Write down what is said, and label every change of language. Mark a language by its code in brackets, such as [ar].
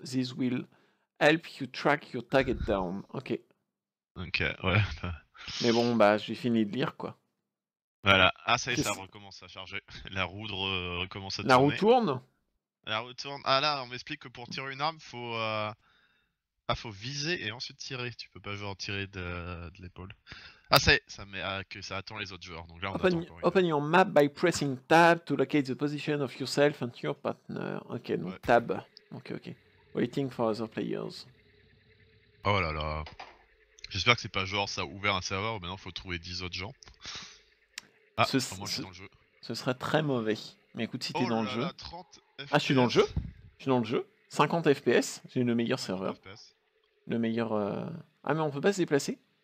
[en] This will help you track your target down. [fr] Ok. Ok, ouais. Mais bon, bah j'ai fini de lire quoi. Voilà. Ah, ça y est, ça recommence à charger. La roue recommence à tourner. La roue tourne? Ah là, on m'explique que pour tirer une arme, faut viser et ensuite tirer. Tu peux pas genre tirer de l'épaule. Ah, c'est ça, mais que ça attend les autres joueurs. Donc là, on [en] open, [fr] attend [en] open your map by pressing tab to locate the position of yourself and your partner. [fr] Ok, donc ouais. [en] Tab. Ok. Waiting for other players. [fr] Oh là là. J'espère que c'est pas genre ça a ouvert un serveur où maintenant faut trouver 10 autres gens. Ah, moi je suis dans le jeu. Ce serait très mauvais. Mais écoute, si t'es oh dans là le jeu. Là, 30... Ah, je suis dans le jeu. 50 FPS, j'ai le meilleur serveur. Le meilleur. Ah, mais on peut pas se déplacer.